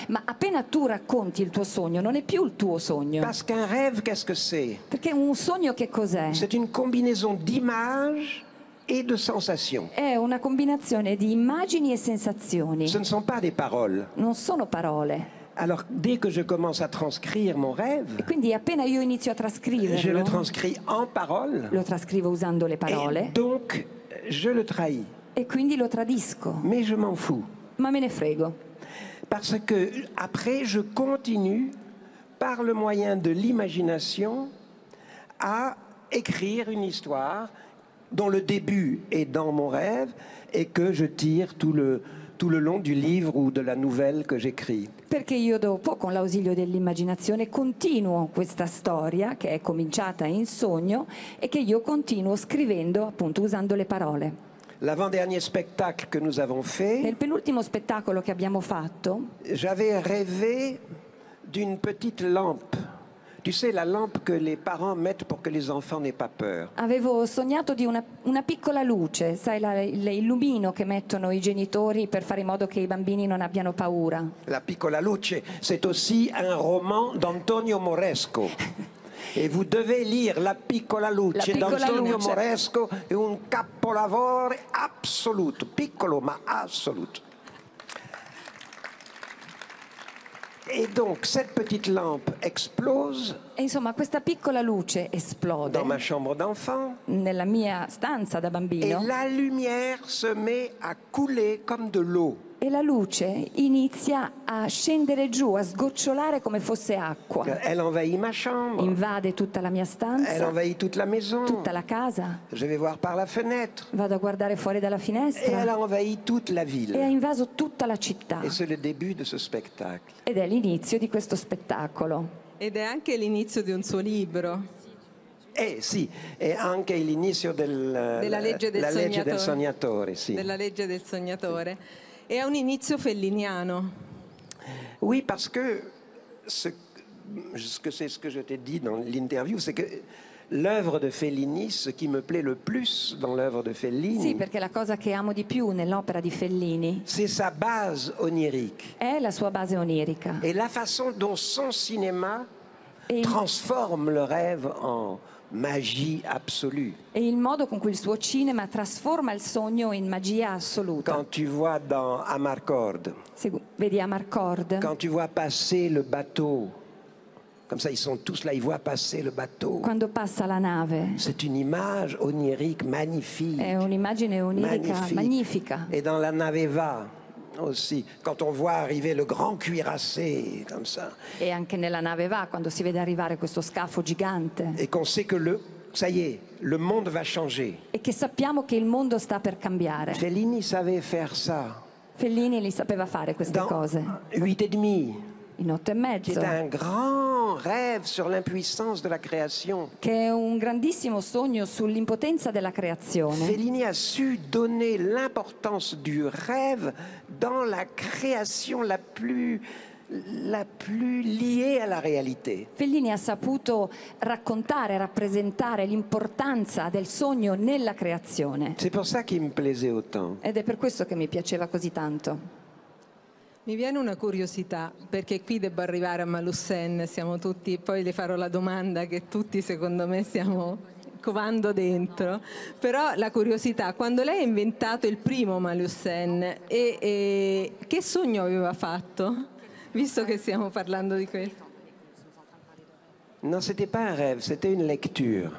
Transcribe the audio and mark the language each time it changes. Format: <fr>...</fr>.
<it>Ma appena tu racconti il tuo sogno, non è più il tuo sogno.</it> <fr>Parce qu'un rêve, qu'est-ce que c'est?</fr> <it>Perché un sogno che cos'è?</it> <fr>C'est une combinaison d'images et de sensations.</fr> <it>È una combinazione di immagini e sensazioni.</it> <fr>Ce ne sont pas des paroles.</fr> <it>Non sono parole.</it> <fr>Alors dès que je commence à transcrire mon rêve,</fr> <it>e quindi appena io inizio a trascriverlo,</it> <fr>je le transcris en paroles.</fr> <it>Lo trascrivo usando le parole.</it> <fr>Et donc je le trahis.</fr> <it>E quindi lo tradisco.</it> <fr>Mais je m'en fous.</fr> <it>Ma me ne frego.</it> <fr>Parce que après je continue par le moyen de l'imagination à écrire une histoire dont le début est dans mon rêve et que je tire tout le long du livre ou de la nouvelle que j'écris.</fr> <it>Perché io dopo, con l'ausilio dell'immaginazione, continuo questa storia che è cominciata in sogno e che io continuo scrivendo, appunto, usando le parole.</it> <fr>L'avant-dernier spectacle que nous avons fait.</fr> <it>Nel penultimo spettacolo che abbiamo fatto.</it> <fr>J'avais rêvé d'une petite lampe. Tu sais la lampe que les parents mettent pour que les enfants n'aient pas peur.</fr> <it>Avevo sognato di una piccola luce, sai l'illumino che mettono i genitori per fare in modo che i bambini non abbiano paura.</it> <fr>La piccola luce, c'est aussi un roman d'Antonio Moresco. Et vous devez lire La piccola luce d'Antonio Moresco,</fr> <it>un capolavoro assoluto, piccolo ma assoluto.</it> <fr>Et donc cette petite lampe explose.</fr> <it>E insomma, questa piccola luce esplode.</it> <fr>Dans ma chambre d'enfant.</fr> <it>Nella mia stanza da bambino.</it> <fr>Et la lumière se met à couler comme de l'eau.</fr> <it>E la luce inizia a scendere giù, a sgocciolare come fosse acqua.</it> <fr>Elle envahit ma chambre.</fr> <it>Invade tutta la mia stanza.</it> <fr>Elle envahit toute la maison.</fr> <it>Tutta la casa.</it> <fr>Je vais voir par la fenêtre.</fr> <it>Vado a guardare fuori dalla finestra.</it> <fr>Et elle envahit toute la ville.</fr> <it>E ha invaso tutta la città.</it> <fr>Et c'est le début de ce spectacle.</fr> <it>Ed è l'inizio di questo spettacolo. Ed è anche l'inizio di un suo libro. Sì, è anche l'inizio della legge del sognatore. E ha un inizio felliniano.</it> <fr>Oui, parce que c'est ce que je t'ai dit dans l'interview, c'est que l'œuvre de Fellini, ce qui me plaît le plus dans l'œuvre de Fellini.</fr> <it>Sì, perché la cosa che amo di più nell'opera di Fellini.</it> <fr>C'est sa base onirique.</fr> <it>È la sua base onirica.</it> <fr>Et la façon dont son cinéma transforme le rêve en magie absolue.</fr> <it>E il modo con cui il suo cinema trasforma il sogno in magia assoluta.</it> <fr>Quand tu vois dans Amarcord.</fr> <it>Se vedi Amarcord.</it> <fr>Quand tu vois passer le bateau. Comme ça, ils sont tous là, ils voient passer le bateau.</fr> <it>Quando passa la nave.</it> <fr>C'est une image onirique magnifique.</fr> <it>È un'immagine onirica magnifica.</it> <fr>Et dans la nave va aussi, quand on voit arriver le grand cuirassé, comme ça.</fr> <it>E anche nella nave va, quando si vede arrivare questo scafo gigante.</it> <fr>Et qu'on sait que le, ça y est, le monde va changer.</fr> <it>E che sappiamo che il mondo sta per cambiare.</it> <fr>Fellini savait faire ça.</fr> <it>Fellini li sapeva fare queste</it> <fr>dans</fr> <it>cose.</it> <fr>8 et demi.</fr> <it>In 8 e mezzo.</it> <fr>C'est un grand rêve sur l'impuissance de la création.</fr> <it>Che è un grandissimo sogno sull'impotenza della creazione.</it> <fr>Fellini a su donner l'importance du rêve dans la création la plus liée à la réalité.</fr> <it>Fellini ha saputo raccontare, rappresentare l'importanza del sogno nella creazione.</it> <fr>C'est pour ça qu'il me plaisait autant.</fr> <it>Ed è per questo che mi piaceva così tanto. Mi viene una curiosità, perché qui devo arrivare a Malussen, siamo tutti, poi le farò la domanda che tutti secondo me stiamo covando dentro, però la curiosità, quando lei ha inventato il primo Malussen, e che sogno aveva fatto, visto che stiamo parlando di questo?</it> <fr>Non, c'était pas un rêve, c'était une lecture.</fr>